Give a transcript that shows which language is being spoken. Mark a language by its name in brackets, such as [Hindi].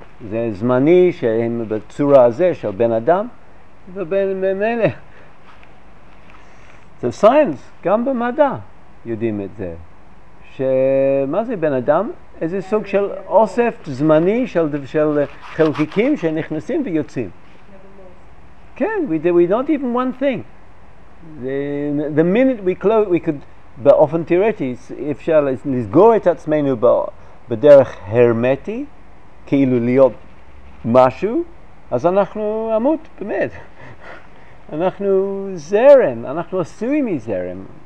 [Hebrew] זה זמני שהם בצורה הזה של בן אדם ובן מלך. זה סיינס, גם במדע יודעים את זה. שמה זה בן אדם? איזה סוג של אוסף זמני של חלקיקים שנכנסים ויוצאים. [English] כן, we not even one thing. The minute we close, we could, [Hebrew] באופן תיאורטי, אפשר לסגור את עצמנו בדרך הרמטי, כאילו להיות משהו, אז אנחנו עמות, באמת. אנחנו זרם, אנחנו עשויים מזרם.